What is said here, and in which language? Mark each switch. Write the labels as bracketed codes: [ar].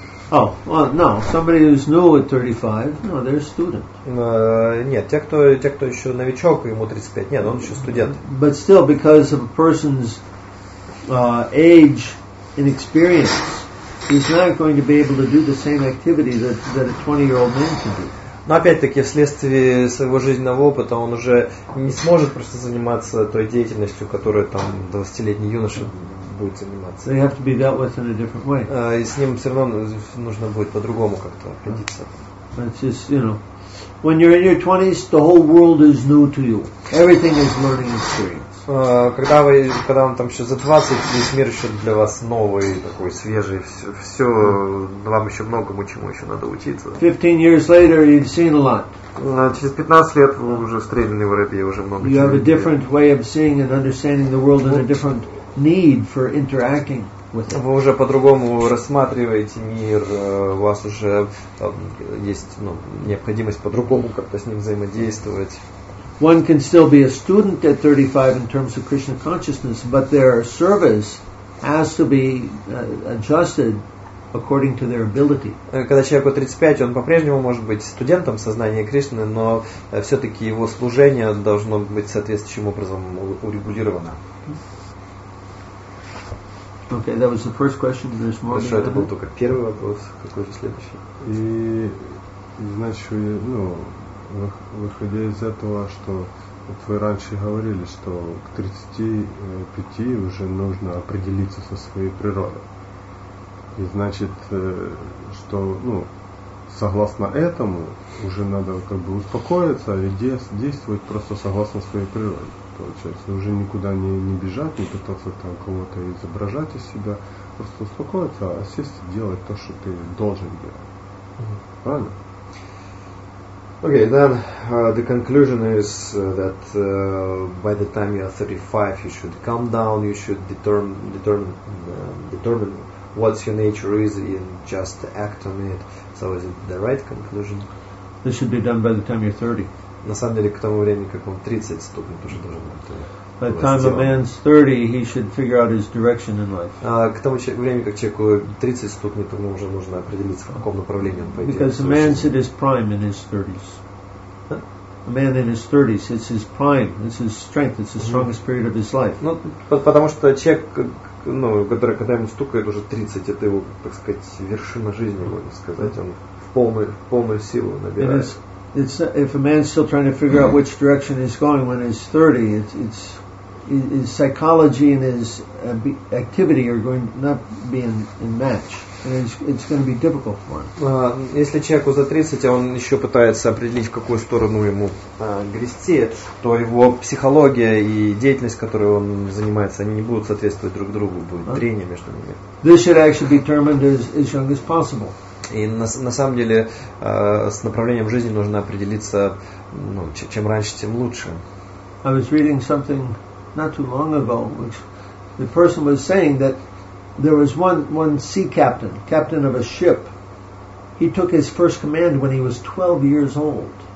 [en] Oh, well, no. Somebody who's new at 35, no, they're a student. But still, because of a person's age and experience, he's not going to be able to do the same activity that a 20-year-old man can do. [ru] Но опять-таки, вследствие своего жизненного опыта, он уже не сможет просто заниматься той деятельностью, которую там 20-летний юноша будет заниматься. [en] They have to be dealt with in a different way. [ru] И с ним все равно нужно будет по-другому как-то обходиться. [en] It's just, you know, when you're in your 20s, the whole world is new to you. Everything is learning experience. [ru] Когда вам там еще за 20, весь мир еще для вас новый, такой свежий, все вам еще многому чему еще надо учиться. [en] 15 years later, you've seen a lot. [ru] Через 15 лет вы уже стрельный воробей, уже много чего. [en] You have a different way of seeing and understanding the world and a different need for interacting. [ru] Вы уже по-другому рассматриваете мир, у вас уже есть, ну, необходимость по-другому как-то с ним взаимодействовать. [en] One can still be a student at 35 in terms of Krishna consciousness, but their service has to be adjusted according to their ability. [ru] Когда человеку 35, он по-прежнему может быть студентом сознания Кришны, но все-таки его служение должно быть соответствующим образом урегулировано. [en] Okay, that was the first question. There's more. [ru] Хорошо, это был только первый вопрос. Какой же следующий? И значит, ну, выходя из этого, что вот вы раньше говорили, что к 35 уже нужно определиться со своей природой. И значит, что, ну, согласно этому, уже надо как бы успокоиться и действовать просто согласно своей природе. Получается, уже никуда не бежать, не пытаться там кого-то изображать из себя, просто успокоиться, а сесть и делать то, что ты должен делать. Правильно? [en] Okay, then the conclusion is that by the time you are 35, you should calm down, you should determine what your nature is and just act on it. So is it the right conclusion? This should be done by the time you're 30. [ru] На самом деле, к тому времени, как он 30 стукнет, уже должен быть. [en] By the time a man's 30, he should figure out his direction in life. [ru] К тому времени, как человеку 30 стукнет, ему уже нужно определиться, в каком направлении он пойдет. [en] Because a man's at his prime in his 30s. A man in his 30s, it's his prime, it's his strength, it's the strongest period of his life. [ru] Ну, потому что человек, ну, который, когда ему стукает уже 30, это его, так сказать, вершина жизни, можно сказать, он в полную силу набирает. [en] It's if a man's still trying to figure out which direction he's going when he's 30, his psychology and his activity are going not be in match, and it's going to be difficult for him. [ru] Если человеку за 30, а он еще пытается определить, в какую сторону ему грести, то его психология и деятельность, которой он занимается, они не будут соответствовать друг другу, будет трение между ними. [en] This should actually be determined as young as possible. [ru] И на самом деле с направлением жизни нужно определиться, ну, чем раньше, тем лучше. [en] I was reading something not too long ago, which the person was saying that there was one sea captain of a ship. He took his first command when he was 12 years old.